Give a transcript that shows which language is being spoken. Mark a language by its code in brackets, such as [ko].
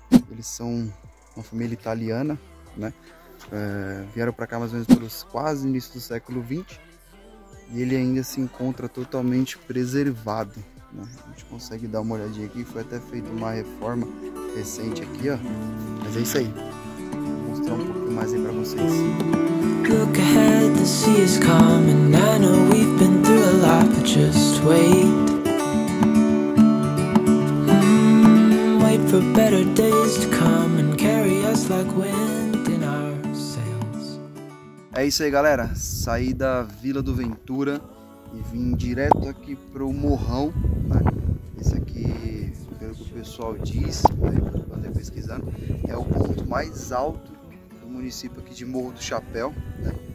[pt] Eles são uma família italiana, né? Vieram para cá mais ou menos pelos quase início do século 20 e ele ainda se encontra totalmente preservado, né? A gente consegue dar uma olhadinha aqui, foi até feita uma reforma recente aqui, ó. Mas é isso aí. [en] Look ahead, the sea is coming. I know we've been through a lot, but just wait. Wait for better days to come and carry us like wind in our sails. [pt] É isso aí, galera. Saí da Vila do Ventura e vim direto aqui pro morrão, né? Esse aqui, pelo que o pessoal diz, né, até pesquisando, é o ponto mais alto município aqui de Morro do Chapéu, né?